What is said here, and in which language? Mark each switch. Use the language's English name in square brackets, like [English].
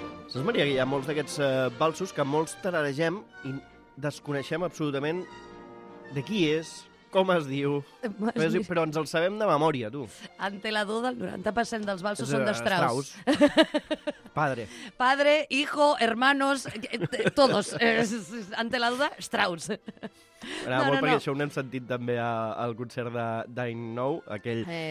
[Catalan] Saps, Maria, que hi ha molts d'aquests valsos que molts tararegem i desconeixem absolutament de qui és, com es diu... Però ens el sabem de memòria, tu. [Spanish] Ante la duda, [Catalan] el 90% dels valsos són d'Strauss. [Spanish] Padre. Padre, hijo, hermanos, todos. Ante la duda, Strauss. [Catalan] Perquè això ho n'hem sentit també al concert d'any nou, aquell...